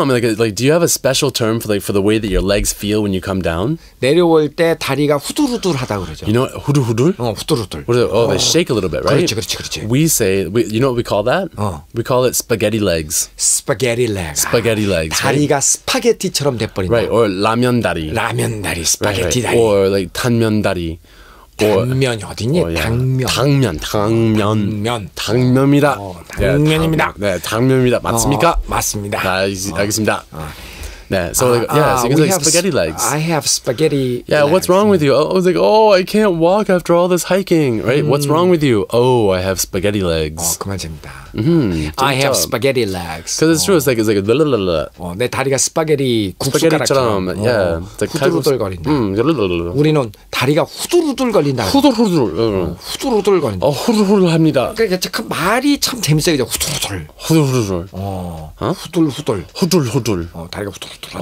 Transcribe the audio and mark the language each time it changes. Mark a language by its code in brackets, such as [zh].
[en] I mean, like, do you have a special term for like for the way that your legs feel when you come down? [ko] 내려올 때 다리가 후들후들하다 그러죠. [en] You know, [ko] 후들후들. 어, 후들후들. [en] What is it? Oh, they shake a little bit, right? [ko] 그렇지, 그렇지, 그렇지. [en] We say, you know what we call that? [ko] 어. [en] We call it spaghetti legs. Spaghetti legs. Spaghetti legs. [ko] 다리가 [en] right? [ko] 스파게티처럼 돼버린다. [en] Right. Or [ko] 라면 다리. 라면 다리. 스파게티 [en] right. 다리. Or like [ko] 탄면 다리. 당면 어디니? 어, 당면. 당면, 당면. 당면. 당면이다. 어, 당면입니다. 네, 당면, 네, 당면입니다. 맞습니까? 어, 맞습니다. 아, 알겠습니다. [en] 네, so like, yeah, so it's like spaghetti legs. I have spaghetti. Yeah, legs. What's wrong with you? I was like, oh, I can't walk after all this hiking, right? What's wrong with you? Oh, I have spaghetti legs. [ko] 어, 그만 재밌다. Mm-hmm. [en] I have spaghetti legs. Because it's true, it's like blah, blah, blah, blah. [ko] 어, 내 다리가 스파게티 국수가락처럼 후두루들거린다. 후두루들거린다. 우리는 다리가 후두루들거린다. 후두루들. 후두루들거린다. 어, 후두루들합니다. 그러니까 말이 참 재밌어요. 후두루들. 후들후들. 어. 후들후들. 후들후들. 어, 다리가 후들후들하다.